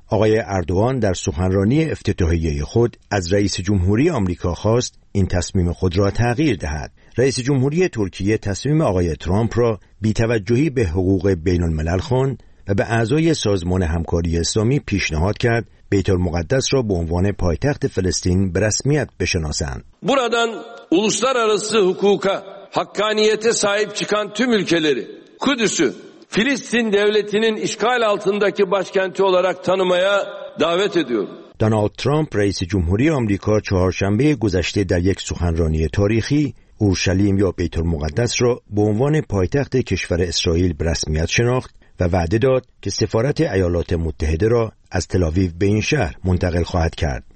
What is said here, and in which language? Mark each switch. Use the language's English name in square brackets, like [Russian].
[Persian] آقای اردوغان در سخنرانی افتتاحیه خود از رئیس جمهوری آمریکا خواست این تصمیم خود را تغییر دهد. رئیس جمهوری ترکیه تصمیم آقای ترامپ را بی‌توجهی به حقوق بین الملل خواند و به اعضای سازمان همکاری اسلامی پیشنهاد کرد بیت المقدس را به عنوان پایتخت فلسطین به رسمیت بشناسند. [Turkish] buradan uluslararası hukuka hakkaniyete sahip çıkan tüm ülkeleri Kudüs'ü Filistin devletinin işgal altındaki başkenti olarak tanımaya davet ediyorum. [Persian] دونالد ترامپ رئیس جمهوری آمریکا چهارشنبه گذشته در یک سخنرانی تاریخی اورشلیم یا بیت المقدس را به عنوان پایتخت کشور اسرائیل به رسمیت شناخت و وعده داد که سفارت ایالات متحده را از تل آویو به این شهر منتقل خواهد کرد.